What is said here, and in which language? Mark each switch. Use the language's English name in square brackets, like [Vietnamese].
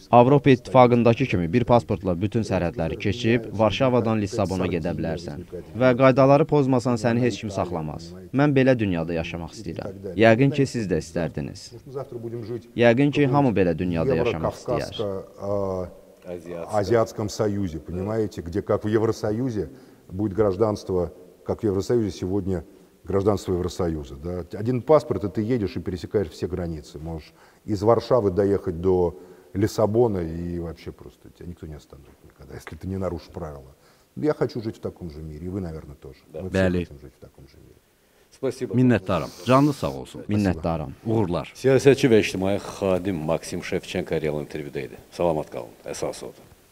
[Azerbaijani] Avropa İttifaqındakı kimi bir pasportla bütün sərhədləri keçib Varşavadan Lissabona gedə bilərsən və qaydaları pozmasan səni heç kim saxlamaz. Mən belə dünyada yaşamaq istəyirəm. Yəqin ki, siz də istərdiniz. Yəqin ki, hamı belə dünyada yaşamaq istəyər. [Russian] Азиатском союзе, понимаете, где как в Евросоюзе будет гражданство, как в Евросоюзе сегодня гражданство Евросоюза, да? Один паспорт, и ты едешь и пересекаешь все границы. Можешь из Варшавы доехать до Лиссабона и вообще просто тебя никто не остановит никогда, если ты не нарушишь правила. Я хочу жить в таком же мире, и вы, наверное, тоже. Мы все хотим жить в таком же мире. [Azerbaijani] Minnətdaram. Canlı sağ olsun. Minnətdaram. Uğurlar. Siyasətçi və ictimai xadim Maksim Şevçenko Real İntervyu-da idi. Salamat qalın. Əsas odur.